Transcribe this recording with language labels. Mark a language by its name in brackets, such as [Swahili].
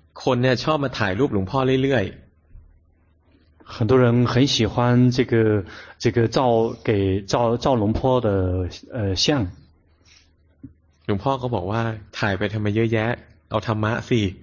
[Thai] คนเนี่ยชอบมาถ่ายรูปหลวงพ่อเรื่อยๆ [Chinese] 很多人很喜欢这个照给照龙坡的像 [Thai] 龙坡ก็บอกว่าถ่ายไปทำไมเยอะแยะเอาธรรมะสิ